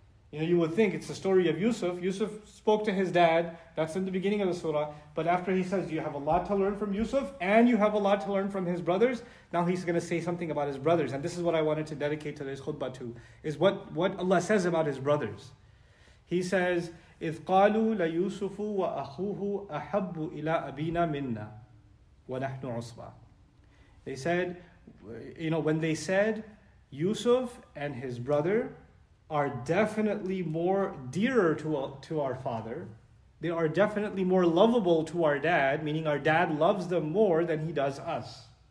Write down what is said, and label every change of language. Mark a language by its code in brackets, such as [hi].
[en] You know, you would think it's the story of Yusuf. Yusuf spoke to his dad, that's in the beginning of the surah, but after he says, you have a lot to learn from Yusuf, and you have a lot to learn from his brothers, now he's going to say something about his brothers. And this is what I wanted to dedicate today's khutbah to, is what Allah says about his brothers. He says, [ar] إِذْ قَالُوا لَيُوسُفُ وَأَخُوهُ أَحَبُّ إِلَىٰ أَبِينَا مِنَّا وَنَحْنُ عُصْبَةٌ. [en] They said, you know, when they said, Yusuf and his brother are definitely more dearer to our father, they are definitely more lovable to our dad, meaning our dad loves them more than he does us.